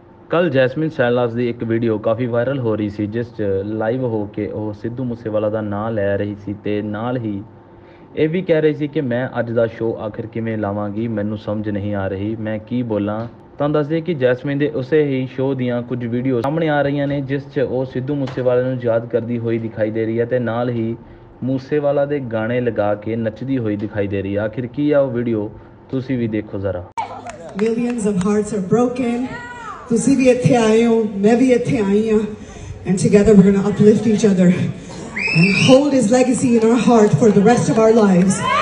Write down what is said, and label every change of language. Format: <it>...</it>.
<pa>ਕੱਲ੍ਹ ਜੈਸਮਿਨ ਸੈਂਡਲਸ ਦੀ ਇੱਕ ਵੀਡੀਓ ਕਾਫੀ ਵਾਇਰਲ ਹੋ ਰਹੀ ਸੀ, ਜਿਸ 'ਚ ਲਾਈਵ ਹੋ ਕੇ ਉਹ ਸਿੱਧੂ ਮੂਸੇਵਾਲਾ ਦਾ ਨਾਂ ਲੈ ਰਹੀ ਸੀ ਅਤੇ ਨਾਲ ਹੀ ਇਹ ਵੀ ਕਹਿ ਰਹੀ ਸੀ ਕਿ ਮੈਂ ਅੱਜ ਦਾ ਸ਼ੋਅ ਆਖਿਰ ਕਿਵੇਂ ਲਾਵਾਂਗੀ, ਮੈਨੂੰ ਸਮਝ ਨਹੀਂ ਆ ਰਹੀ ਮੈਂ ਕੀ ਬੋਲਾਂ। ਤਾਂ ਦੱਸਦੇ ਕਿ ਜੈਸਮਿਨ ਦੇ ਉਸੇ ਹੀ ਸ਼ੋਅ ਦੀਆਂ ਕੁਝ ਵੀਡੀਓ ਸਾਹਮਣੇ ਆ ਰਹੀਆਂ ਨੇ, ਜਿਸ 'ਚ ਉਹ ਸਿੱਧੂ ਮੂਸੇਵਾਲੇ ਨੂੰ ਯਾਦ ਕਰਦੀ ਹੋਈ ਦਿਖਾਈ ਦੇ ਰਹੀ ਹੈ ਅਤੇ ਨਾਲ ਹੀ ਮੂਸੇਵਾਲਾ ਦੇ ਗਾਣੇ ਲਗਾ ਕੇ ਨੱਚਦੀ ਹੋਈ ਦਿਖਾਈ ਦੇ ਰਹੀ ਹੈ। ਆਖਿਰ ਕੀ ਆ ਉਹ ਵੀਡੀਓ, ਤੁਸੀਂ ਵੀ ਦੇਖੋ ਜ਼ਰਾ।</pa> <en>Millions of hearts are broken.</en> <pa>ਤੁਸੀਂ ਵੀ ਇੱਥੇ ਆਏ ਹੋ, ਮੈਂ ਵੀ ਇੱਥੇ ਆਈ ਹਾਂ,</pa> <en>And together we going to uplift each other and hold his legacy in our heart for the rest of our lives.</en>